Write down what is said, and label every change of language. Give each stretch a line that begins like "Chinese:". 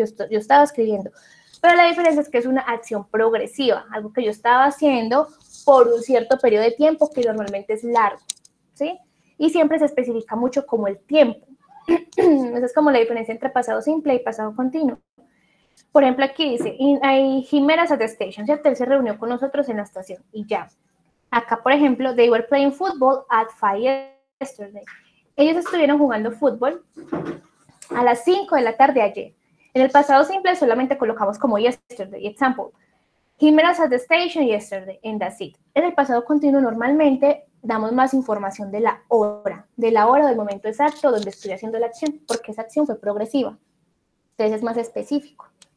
Spanish: Yo estaba escribiendo. Pero la diferencia es que es una acción progresiva, algo que yo estaba haciendo por un cierto periodo de tiempo que normalmente es largo, ¿sí? Y siempre se especifica mucho como el tiempo. Esa es como la diferencia entre pasado simple y pasado continuo. Por ejemplo, aquí dice, hay Jimena
English: at the station,
Spanish: ¿cierto? Él se reunió con nosotros en la estación y ya. Acá, por ejemplo,
English: they were playing football at 5 yesterday.
Spanish: Ellos estuvieron jugando fútbol a las 5 de la tarde ayer. En el pasado simple solamente colocamos como yesterday.
English: Example, he met us at the station yesterday, and that's it.
Spanish: En el pasado continuo normalmente damos más información de la hora, del momento exacto donde estoy haciendo la acción, porque esa acción fue progresiva. Entonces es más específico.